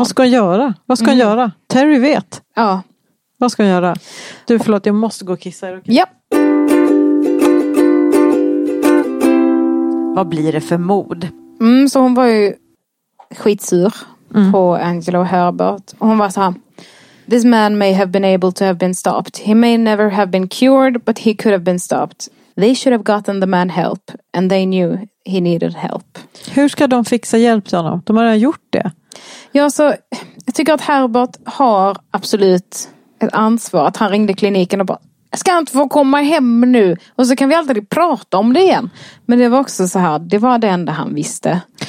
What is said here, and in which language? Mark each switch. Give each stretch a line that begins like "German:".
Swedish: Vad ska hon göra? Vad ska hon göra? Terry vet. Ja. Vad ska hon göra? Du, förlåt, jag måste gå och kissa. Ja. Vad blir det för mod? Så hon var ju skitsur på Angela och Herbert. Och hon var så här:
English: "This man may have been able to have been stopped. He may never have been cured, but he could have been stopped. They should have gotten the man help, and they knew he needed help."
Swedish: Hur ska de fixa hjälp till honom? De har redan gjort det. Ja, så jag tycker att Herbert har absolut ett ansvar. Att han ringde kliniken och bara, ska han inte få komma hem nu? Och så kan vi aldrig prata om det igen. Men det var också så här, det var det enda han visste.